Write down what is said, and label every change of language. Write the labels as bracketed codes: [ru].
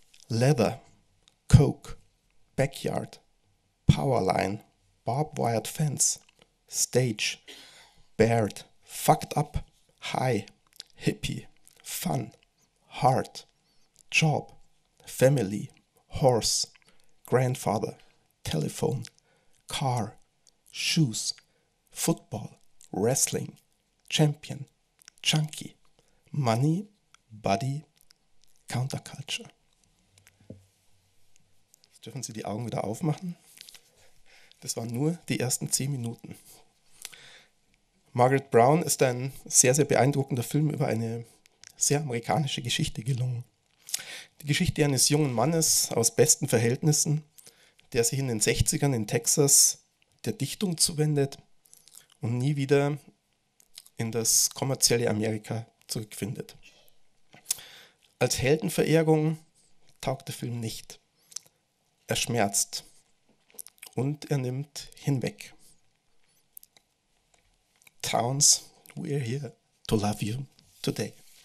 [en] Leather, Coke, Backyard, Powerline, Barbed Wired Fence, Stage, Baird, Fucked Up, High, Hippie, Fun, Heart, Job, Family, Horse, Grandfather, Telephone, Car, Shoes, Football, Wrestling, Champion, Chunky, Money, Buddy, Counterculture. [de] Jetzt dürfen Sie die Augen wieder aufmachen. Das waren nur die ersten 10 Minuten. Margaret Brown ist ein sehr, sehr beeindruckender Film über eine sehr amerikanische Geschichte gelungen. Die Geschichte eines jungen Mannes aus besten Verhältnissen, der sich in den 60ern in Texas der Dichtung zuwendet und nie wieder in das kommerzielle Amerika zurückfindet. Als Heldenverehrung taugt der Film nicht. Er schmerzt und er nimmt hinweg. [en] Towns, we're here to love you today.